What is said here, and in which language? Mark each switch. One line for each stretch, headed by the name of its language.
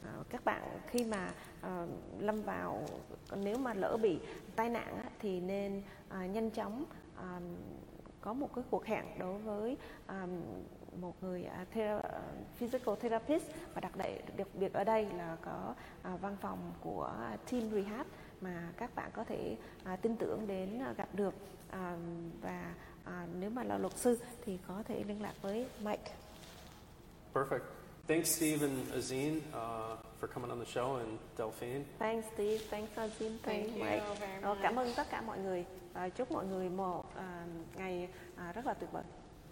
Vietnamese: các bạn khi mà lâm vào, nếu mà lỡ bị tai nạn thì nên nhanh chóng có một cái cuộc hẹn đối với một người physical therapist, và đặc biệt ở đây là có văn phòng của Team Rehab mà các bạn có thể tin tưởng đến gặp được. Và nếu mà là luật sư thì có thể liên lạc với Mike.
English: Perfect. Thanks, Steve and Azine, for coming on the show, and Delphine. Thanks, Steve. Thanks, Azine. Thank you Mike. Very much.
Vietnamese: Cảm ơn tất cả mọi người. Chúc mọi người một ngày rất là tuyệt vời.